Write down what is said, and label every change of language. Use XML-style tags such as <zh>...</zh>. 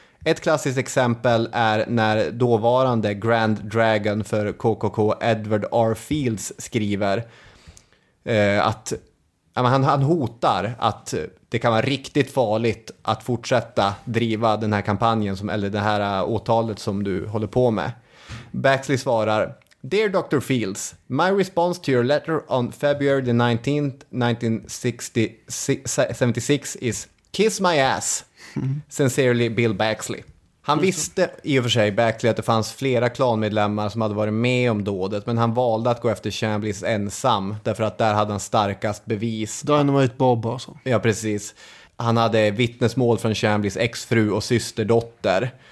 <sv>Ett klassiskt exempel är när dåvarande Grand Dragon för KKK Edward R. Fields skriver att han hotar att det kan vara riktigt farligt att fortsätta driva den här kampanjen som, eller det här åtalet som du håller på med. Baxley svarar:</sv> <en>"Dear Dr. Fields, my response to your letter on February the 19th, 1976 is kiss my ass. Sincerely, Bill Baxley."</en> <sv>Han visste i och för sig Baxley att det fanns flera klanmedlemmar som hade varit med om dådet, men han valde att gå efter Chambliss ensam därför att där hade han starkast bevis. Dynamite Bob alltså. Ja, precis. Han hade vittnesmål från Chambliss exfru och systerdotter.</sv>